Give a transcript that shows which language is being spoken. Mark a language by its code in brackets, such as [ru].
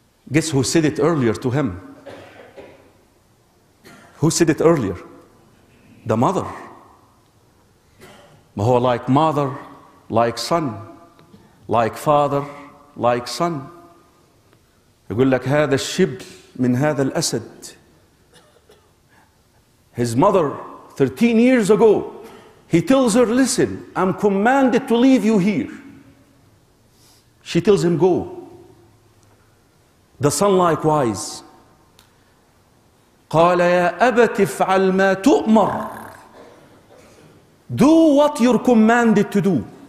[en] Guess who said it earlier to him? Who said it earlier? The mother. Who, like mother, like son, like father, like son. [ar] يقول لك هذا الشبل من هذا الأسد. [en] His mother, 13 years ago, he tells her, listen, I'm commanded to leave you here. She tells him, go. The son likewise. [ar] قال يا أبت افعل ما تؤمر. [en] Do what you're commanded to do.